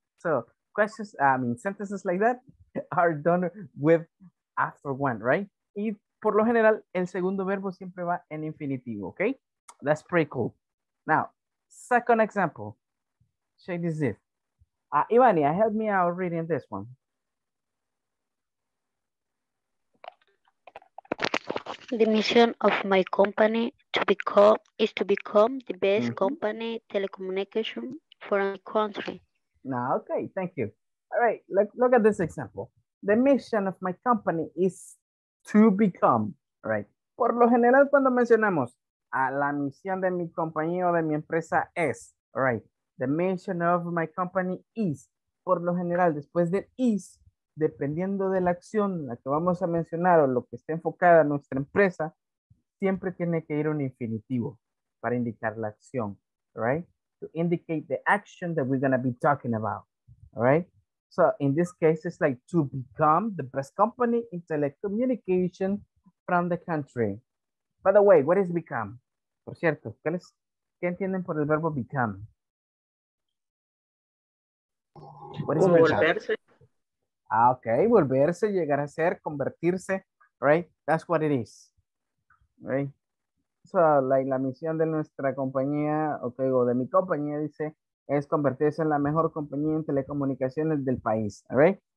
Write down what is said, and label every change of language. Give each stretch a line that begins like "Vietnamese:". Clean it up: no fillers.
English: So questions, I mean, sentences like that are done with after one, right?
Spanish: Y por lo general, el segundo verbo siempre va en infinitivo, okay?
English: That's pretty cool. Now, second example. Check this out. Ivania, help me out reading this one. The mission of my company is to become the best mm-hmm. company telecommunication for a country. Now, okay, thank you. All right, look at this example. The mission of my company is to become, right?
Spanish: Por lo general, cuando mencionamos a la misión de mi compañía o de mi empresa es, right?
English: The mission of my company is,
Spanish: por lo general, después del is, dependiendo de la acción la que vamos a mencionar o lo que esté enfocada nuestra empresa, siempre tiene que ir un infinitivo para indicar la acción, right?
English: To indicate the action that we're going to be talking about, right? So in this case, it's like to become the best company in telecommunication from the country. By the way, what is become?
Spanish: Por cierto, ¿qué entienden por el verbo become?
English: What is volverse.
Spanish: Ah, okay, volverse, llegar a ser, convertirse, right?
English: That's what it is,
Spanish: right? So, like, la misión de nuestra compañía, okay, o de mi compañía, dice, es convertirse en la mejor compañía en telecomunicaciones del país, right?